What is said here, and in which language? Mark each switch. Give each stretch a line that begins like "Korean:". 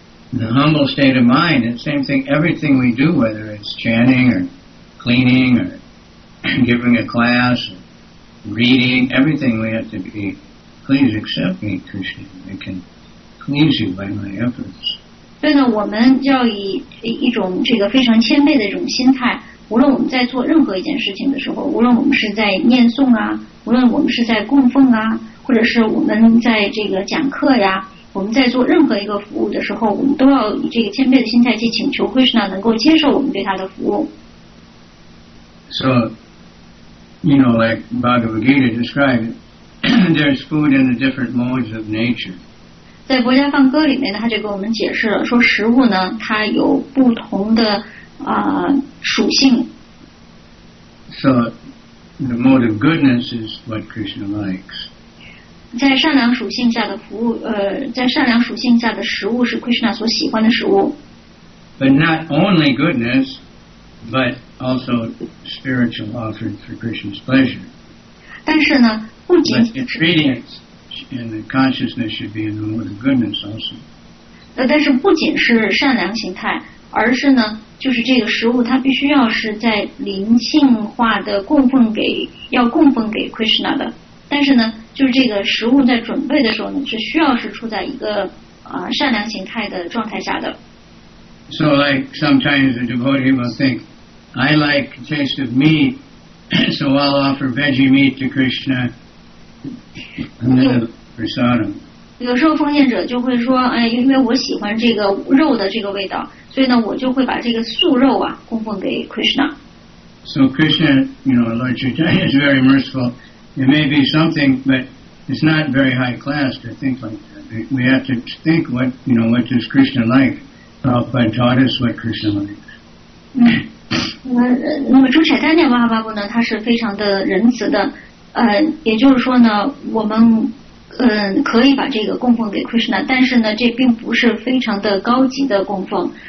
English: The humble state of mind, the same thing, everything we do, whether it's chanting or cleaning or giving a class, or reading, everything we have to be, please accept me, Krishna, I can please you by my efforts.
Chinese: 对呢，我们要以一种这个非常谦卑的这种心态，无论我们在做任何一件事情的时候，无论我们是在念诵啊，无论我们是在供奉啊，或者是我们在这个讲课呀。我们在做任何一个服务的时候，我们都要以这个谦卑的心态去请求 Krishna 能够接受我们对他的服务。
English: So, you know, like Bhagavad Gita described, there's food in the different modes of nature.
Chinese: 在《薄伽梵歌》里面呢，他就给我们解释了，说食物呢，它有不同的属性。
English: So, the mode of goodness is what Krishna likes.
Chinese: 在善良属性下的服务，在善良属性下的食物是 Krishna 所喜欢的食物。
English: But not only goodness, but also spiritual offerings for Krishna's pleasure.
Chinese: 但是呢，不仅
English: ingredients and the consciousness should be in the mode of goodness also.
Chinese: 但是不仅是善良形态，而是呢，就是这个食物它必须要是在灵性化的供奉给，要供奉给 Krishna 的。但是呢，就是这个食物在准备的时候呢，是需要是处在一个善良形态的状态下的。
English: So like sometimes a devotee will think, I like the taste of meat, so I'll offer veggie meat to Krishna. Prasadam.
Chinese: 有时候奉献者就会说，哎，因为我喜欢这个肉的这个味道，所以呢，我就会把这个素肉啊供奉给 Krishna.
English: So Krishna, you know, Lord Chaitanya is very merciful. It may be something, but it's not very high class to think like that. We have to think what, you know, what does Krishna like? Prabhupada taught us what Krishna likes.
Chinese: 那么朱彩丹念妈妈布呢，他是非常的仁慈的，也就是说呢，我们可以把这个供奉给 Krishna， 但是呢，这并不是非常的高级的供奉。